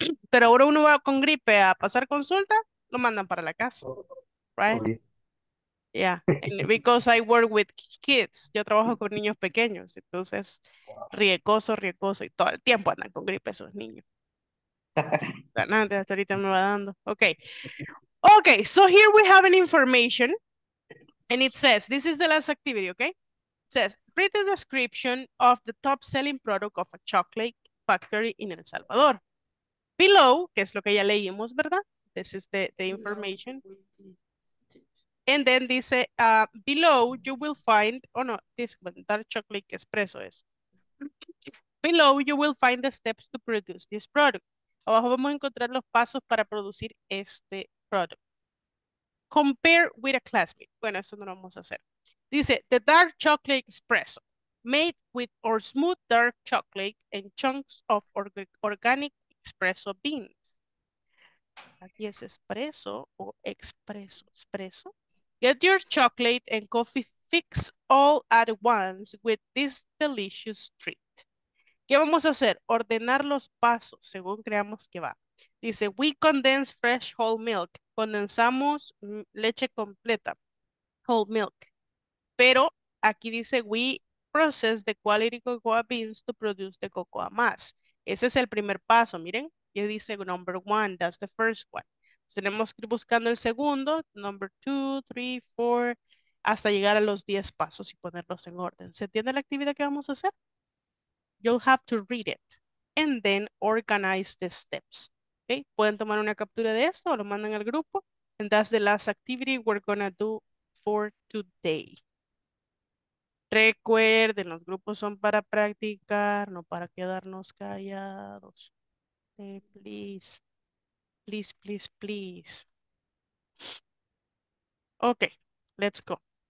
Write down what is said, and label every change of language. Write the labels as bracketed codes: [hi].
[es] Pero ahora uno va con gripe a pasar consulta, lo mandan para la casa. Right? [en] Yeah, because I work with kids. [es] Yo trabajo con niños pequeños, entonces riesgoso y todo el tiempo andan con gripe esos niños. Hasta ahorita me va dando. [en] Okay, so here we have an information, and it says, this is the last activity, okay? It says, read the description of the top-selling product of a chocolate factory in El Salvador. [es] Below, que es lo que ya leímos, ¿verdad? [en] This is the information. And then dice, below you will find, oh no, this one, Dark Chocolate Espresso is. Below you will find the steps to produce this product. [es] Abajo vamos a encontrar los pasos para producir este product. [en] Compare with a classmate. [es] Bueno, eso no lo vamos a hacer. [en] Dice, the Dark Chocolate Espresso, made with our smooth dark chocolate and chunks of organic espresso beans. [es] Aquí es espresso o expreso, espresso. [en] Get your chocolate and coffee fix all at once with this delicious treat. [es] ¿Qué vamos a hacer? Ordenar los pasos según creamos que va. [en] Dice, we condense fresh whole milk. [es] Condensamos leche completa, [en] whole milk. [es] Pero aquí dice, [en] we process the quality cocoa beans to produce the cocoa mass. [es] Ese es el primer paso, miren. Y dice, [en] number one, that's the first one. [es] Tenemos que ir buscando el segundo, number 2, 3, 4, hasta llegar a los 10 pasos y ponerlos en orden. ¿Se entiende la actividad que vamos a hacer? [en] You'll have to read it and then organize the steps. Okay? [es] Pueden tomar una captura de esto o lo mandan al grupo. [en] And that's the last activity we're going to do for today. [es] Recuerden, los grupos son para practicar, no para quedarnos callados. [en] Okay, please. Please. Okay, let's go.